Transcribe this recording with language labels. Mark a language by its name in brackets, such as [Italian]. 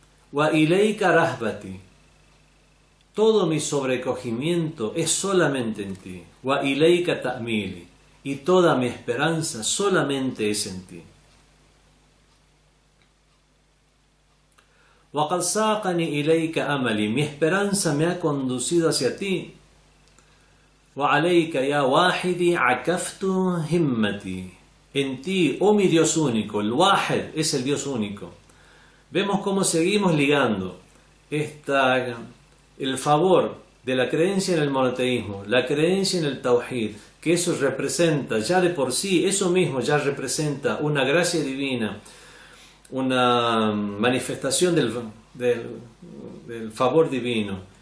[Arabic] Wa ilayka rahbati, [Spanish] todo mi sobrecogimiento es solamente en ti. [Arabic] Wa ilayka ta'mili, [Spanish] y toda mi esperanza solamente es en ti. [Arabic] وَقَدْ سَاقَنِي إِلَيْكَ أَمَلِي, [Spanish] mi esperanza me ha conducido hacia ti. [Arabic] وعليك يا واحدي عكفت همتي. [Spanish] En ti, oh mi Dios único, el Wahed es el Dios único. Vemos cómo seguimos ligando el favor de la creencia en el monoteísmo, la creencia en el Tawhid, que eso representa ya de por sí, eso mismo ya representa una gracia divina, una manifestación del favor divino.